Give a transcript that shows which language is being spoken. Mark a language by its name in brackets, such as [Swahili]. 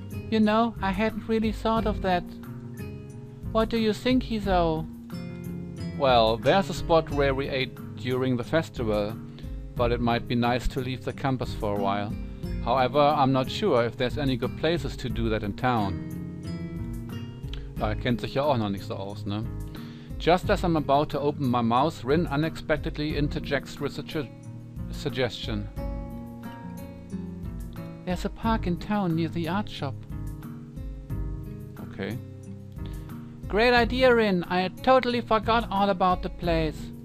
[English] You know, I hadn't really thought of that. What do you think, Hizo? Well, there's a spot where we ate during the festival, but it might be nice to leave the campus for a while. However, I'm not sure if there's any good places to do that in town. [German] Ja, kennt sich ja auch noch nicht so aus, ne? [English] Just as I'm about to open my mouth, Rin unexpectedly interjects with a suggestion. There's a park in town near the art shop. Okay. Great idea, Rin. I totally forgot all about the place.